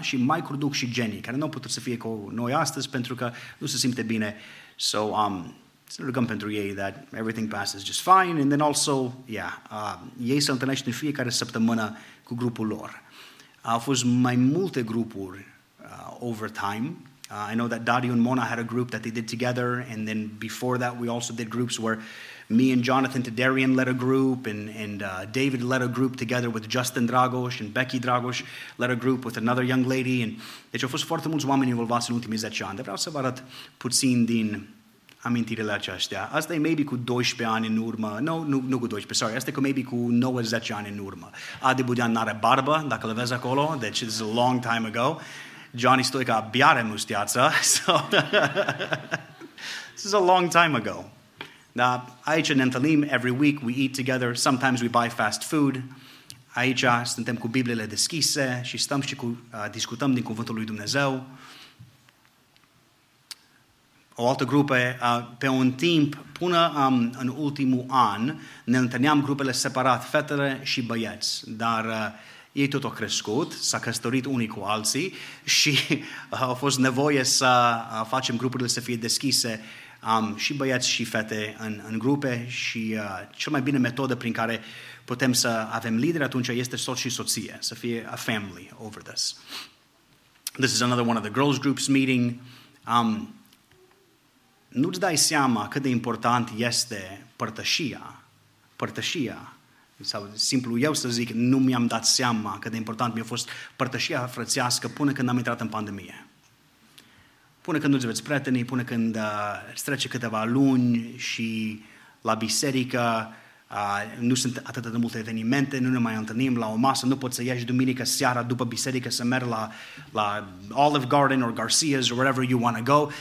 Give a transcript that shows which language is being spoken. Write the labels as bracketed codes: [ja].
[ro] Și Mike Ruduc și Jenny, care nu au putut să fie cu noi astăzi pentru că nu se simte bine. [en] So, [ro] să ne rugăm pentru ei [en] that everything passes just fine. And then also, [ro] ei se întâlnește în fiecare săptămână cu grupul lor. Au fost mai multe grupuri [en] over time. I know that Dario and Mona had a group that they did together, and then before that we also did groups where me and Jonathan Tedarian led a group, and David led a group together with Justin Dragoș, and Becky Dragoș led a group with another young lady. [ro] And deci au fost foarte mulți oameni involvați în ultimii 10 ani. Dar vreau să vă arăt puțin din amintirile aceștia. Asta e maybe cu 12 ani în urmă. Nu cu 12, sorry. Asta e cu maybe cu 9-10 ani în urmă. Adi Budean n-are barbă, dacă le vezi acolo. [en] Deci it's a long time ago. Johnny Stoica [ro] abia are mustiață. [en] So, this is a long time ago. [ro] Da, aici ne întâlnim [en] every week, we eat together, sometimes we buy fast food. [ro] Aici suntem cu Bibliile deschise și stăm și cu, discutăm din Cuvântul lui Dumnezeu. O altă grupă, pe un timp, până în ultimul an, ne întâlneam grupele separat, fetele și băieți, dar ei tot au crescut, s-a căsătorit unii cu alții și au fost nevoie să facem grupurile să fie deschise. Am și băieți și fete în grupe și cel mai bine metodă prin care putem să avem lideri atunci este soț și soție, să fie [en] a family over this. This is another one of the girls groups meeting. [ro] Nu-ți dai seama cât de important este părtășia, sau simplu eu să zic, nu mi-am dat seama cât de important mi-a fost părtășia frățească până când am intrat în pandemie. Până când nu-ți veți prietenii, până când trece câteva luni și la biserică nu sunt atât de multe evenimente, nu ne mai întâlnim la o masă, nu poți să ieși duminică seara după biserică să mergi la Olive Garden [en] or Garcia's or wherever you want to go.